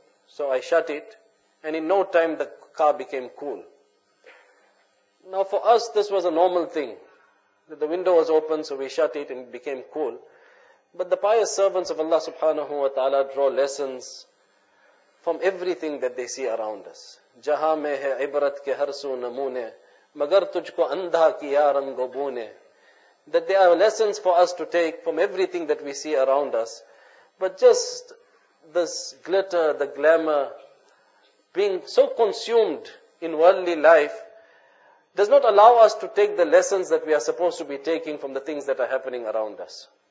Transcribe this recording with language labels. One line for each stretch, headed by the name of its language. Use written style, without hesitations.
English: So I shut it, and in no time the car became cool. Now for us this was a normal thing, that the window was open, so we shut it and it became cool. But the pious servants of Allah subhanahu wa ta'ala draw lessons from everything that they see around us.
Urdu: جہاں میں ہے عبرت کے ہر سو نمونے مگر تجھ کو اندھا کیا رنگ و بونے.
English: That there are lessons for us to take from everything that we see around us. But just this glitter, the glamour, being so consumed in worldly life, does not allow us to take the lessons that we are supposed to be taking from the things that are happening around us.